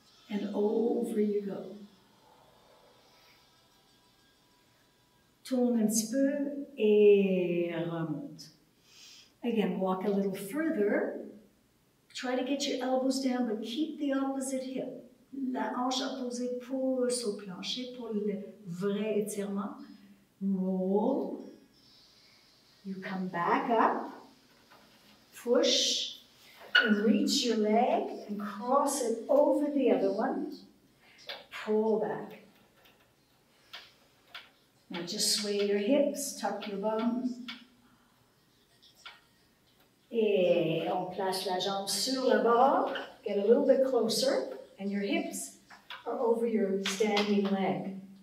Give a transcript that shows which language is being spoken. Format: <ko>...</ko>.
<en>And over you go.</en> <fr>Tourne un petit peu. Et remonte.</fr> <en>Again, walk a little further. Try to get your elbows down, but keep the opposite hip.</en> <fr>La hanche opposée pousse au plancher pour le vrai étirement.</fr> <en>Roll. You come back up. Push and reach your leg and cross it over the other one. Pull back. Now just sway your hips, tuck your bum.</en> <fr>Et on place la jambe sur le bord</fr> <en>Get a little bit closer, and your hips are over your standing leg.</en>